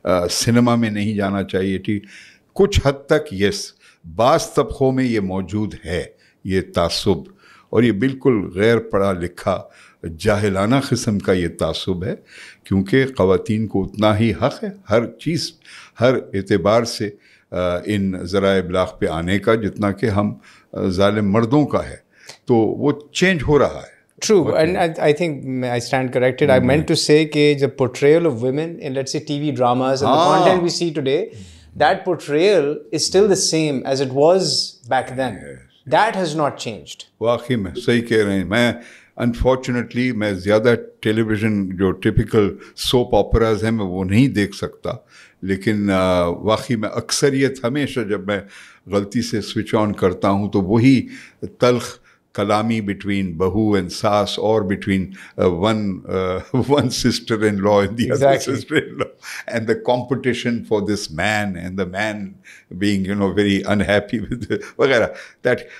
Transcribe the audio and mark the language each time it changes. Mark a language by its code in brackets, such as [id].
[ur] Cinema میں نہیں جانا چاہیے، کچھ حد تک یس بعض طبقوں میں یہ موجود ہے، یہ تعصب، اور یہ بالکل غیر پڑھا لکھا جاہلانہ قسم کا یہ تعصب ہے، کیونکہ خواتین کو اتنا ہی حق ہے ہر چیز، ہر اعتبار سے ان ذرائع ابلاغ پہ آنے کا، جتنا کہ ہم ظالم مردوں کا ہے. تو وہ چینج ہو رہا ہے. [en] True, okay. And I think I stand corrected. Mm-hmm. I meant to say that the portrayal of women in, let's say, TV dramas and the content we see today, that portrayal is still the same as it was back then. Yes. That has not changed. [ur] واقعی میں صحیح کہہ رہے ہیں. میں unfortunately میں زیادہ ٹیلی vision جو ٹپیکل سوپ آپراز ہیں میں وہ نہیں دیکھ سکتا، لیکن واقعی میں اکثریت ہمیشہ جب میں غلطی سے سوئچ آن کرتا ہوں تو وہی تلخ کلامی بٹوین بہو اینڈ ساس اور between one sister and law and the other sister and law and the competition for this main and the main being you know very unhappy with وغیرہ دیٹ.